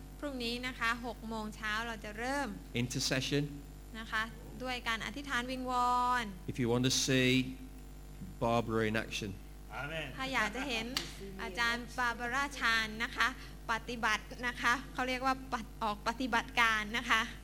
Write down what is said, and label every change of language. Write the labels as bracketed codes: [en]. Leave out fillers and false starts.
[th] พรุ่งนี้นะคะ6 โมงเช้าเราจะเริ่ม [en] Intercession. [th] นะคะด้วยการอธิษฐานวิงวอน [en] If you want to see Barbara in action. [th] ถ้าอยากจะเห็นอาจารย์บาบาร่าชานนะคะ ปฏิบัตินะคะเขาเรียกว่าออกปฏิบัติการนะคะ